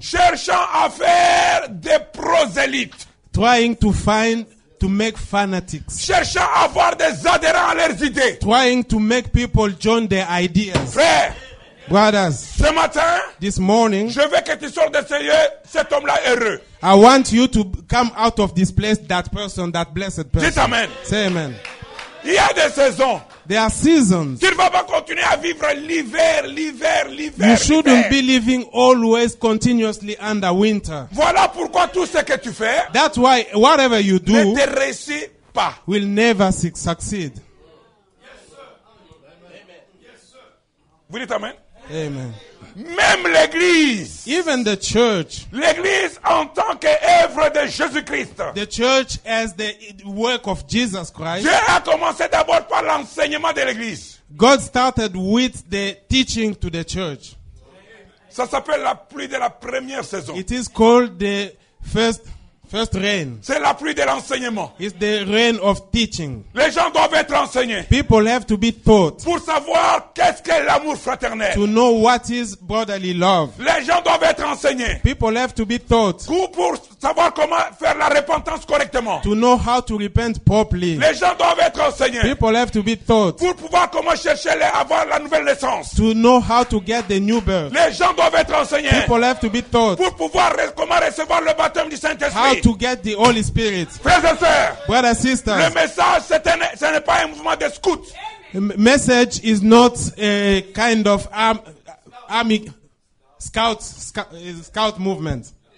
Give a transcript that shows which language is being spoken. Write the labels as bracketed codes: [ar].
[fr] Cherchant à faire des prosélytes. [en] Trying to find to make fanatics. [fr] Cherchant à avoir des adhérents à leurs idées. [en] Trying to make people join their ideas. [fr] Frères, [en] brothers, [fr] ce matin, [en] this morning, [fr] je veux que tu sortes de ce lieu, cet homme-là heureux. [en] I want you to come out of this place, that person, that blessed person. [fr] Dites amen. [en] Say amen. [fr] Il y a des saisons. [en] There are seasons. [fr] Tu ne vas pas continuer à vivre l'hiver. [en] You shouldn't be living always continuously under winter. [fr] Voilà pourquoi tout ce que tu fais, [en] that's why whatever you do, [fr] ne te réussit pas. [en] Will never succeed. Yes, sir. [fr] Vous dites amen? Amen. Même l'église, [en] even the church, [fr] l'église en tant qu'œuvre de Jésus-Christ, [en] the church as the work of Jesus Christ, [fr] Dieu a commencé d'abord par l'enseignement de l'église. [en] God started with the teaching to the church. [fr] Ça s'appelle la pluie de la première saison. [en] It is called the first rain. [fr] C'est la pluie de l'enseignement. [en] It's the rain of teaching. [fr] Les gens doivent être enseignés. [en] People have to be taught. [fr] Pour savoir qu'est-ce que l'amour fraternel. [en] To know what is brotherly love. [fr] Les gens doivent être enseignés. [en] People have to be taught. [fr] Pour savoir comment faire la repentance correctement. [en] To know how to repent properly. [fr] Les gens doivent être enseignés. [en] People have to be taught. [fr] Pour pouvoir comment chercher avoir la nouvelle naissance. [en] To know how to get the new birth. [fr] Les gens doivent être enseignés. [en] People have to be taught. [fr] Pour pouvoir comment recevoir le baptême du Saint-Esprit. [en] How to get the Holy Spirit. [fr] Frères et sœurs, [en] brothers and sisters, [fr] le message, ce n'est pas un mouvement de scout. [en] Message is not a kind of army scout movement.